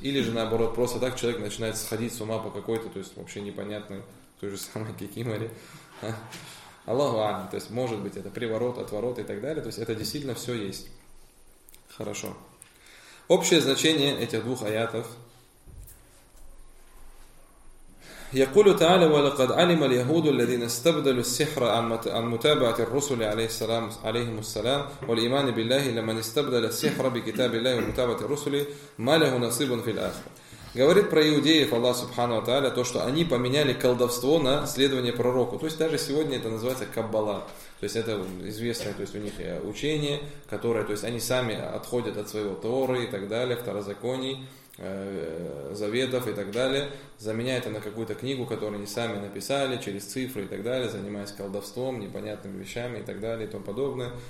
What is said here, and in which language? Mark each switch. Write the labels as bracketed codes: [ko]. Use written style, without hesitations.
[ru] Или же наоборот, просто так человек начинает сходить с ума по какой-то, то есть вообще непонятной, той же самой кикимори. Аллаху Алим. То есть, может быть, это приворот, отворот и так далее. То есть, это действительно все есть. Хорошо. Общее значение этих двух аятов. [ar] يقول تعالى ولقد علم اليهود الذين استبدلوا السحر عن متابعة الرسل عليهم السلام والإيمان بالله لمن استبدل السحر بكتاب الله ومتابعة الرسل ما له نصيب في الآخرة. [ru] Говорит про иудеев Аллах Субхану ва Тааля то, что они поменяли колдовство на следование пророку. То есть даже сегодня это называется каббала. То есть это известное, то есть у них учение, которое, то есть они сами отходят от своего Торы и так далее, второзаконий, заветов и так далее, заменяют это на какую-то книгу, которую они сами написали, через цифры и так далее, занимаясь колдовством, непонятными вещами и так далее и тому подобное.